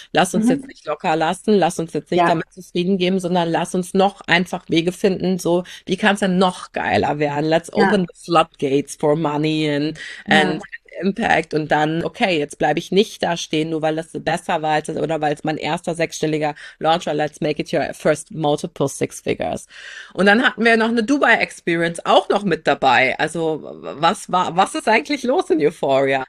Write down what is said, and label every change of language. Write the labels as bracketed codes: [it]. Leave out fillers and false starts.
[de] Lass uns jetzt nicht locker lassen, lass uns jetzt nicht damit zufrieden geben, sondern lass uns noch einfach Wege finden, so, wie kann es denn noch geiler werden? [en] Let's open the floodgates for money and Impact [de] und dann, okay, jetzt bleibe ich nicht da stehen, nur weil das besser war oder weil es mein erster sechsstelliger Launch war. [en] Let's make it your first multiple six figures. [de] Und dann hatten wir noch eine Dubai Experience auch noch mit dabei. Also, was ist eigentlich los in Euphoria?